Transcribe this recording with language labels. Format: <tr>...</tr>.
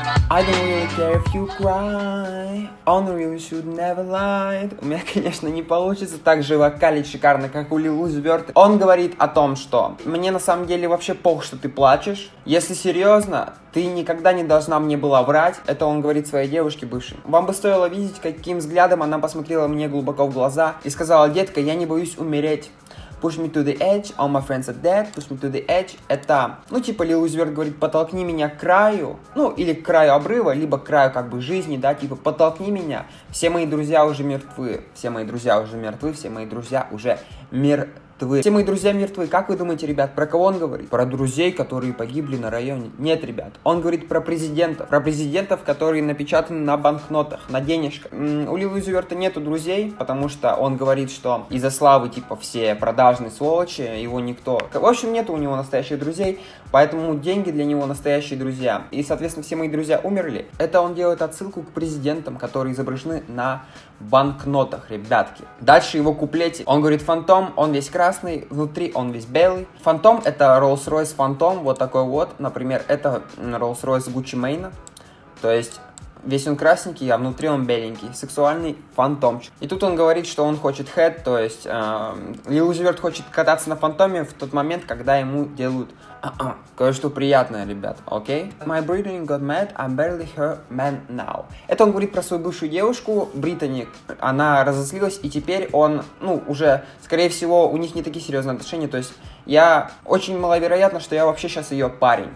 <en>I don't really care if you cry. On real, you should never lie.</en> <ru>У меня, конечно, не получится так же вокалить шикарно, как у Lil Uzi Vert. Он говорит о том, что мне на самом деле вообще пох, что ты плачешь. Если серьезно, ты никогда не должна мне была врать. Это он говорит своей девушке бывшей. Вам бы стоило видеть, каким взглядом она посмотрела мне глубоко в глаза и сказала: детка, я не боюсь умереть.</ru> <en>Push me to the edge, all my friends are dead, push me to the edge.</en> <ru>Это, ну, типа, Lil Uzi Vert говорит, потолкни меня к краю, ну, или к краю обрыва, либо к краю, как бы, жизни, да, типа, потолкни меня, все мои друзья уже мертвы, все мои друзья уже мертвы, все мои друзья уже мертвы. Все мои друзья мертвы. Как вы думаете, ребят, про кого он говорит? Про друзей, которые погибли на районе? Нет, ребят, он говорит про президентов. Про президентов, которые напечатаны на банкнотах, на денежках. У Lil Uzi Vert нету друзей, потому что он говорит, что из-за славы, типа, все продажные сволочи, его никто... В общем, нету у него настоящих друзей, поэтому деньги для него настоящие друзья. И, соответственно, все мои друзья умерли. Это он делает отсылку к президентам, которые изображены на банкнотах, ребятки. Дальше его куплете. Он говорит: фантом, он весь красный, внутри он весь белый. Фантом — это Rolls-Royce фантом, вот такой вот. Например, это Rolls-Royce Gucci Mane. То есть весь он красненький, а внутри он беленький. Сексуальный фантомчик. И тут он говорит, что он хочет хэт, то есть Lil Uzi Vert хочет кататься на фантоме в тот момент, когда ему делают кое-что приятное, ребят, окей?</ru> <en>My Brittany got mad, I'm barely her man now.</en> <ru>Это он говорит про свою бывшую девушку, Brittany. Она разозлилась, и теперь он, ну, уже, скорее всего, у них не такие серьезные отношения, то есть я очень маловероятно, что я вообще сейчас ее парень.</ru>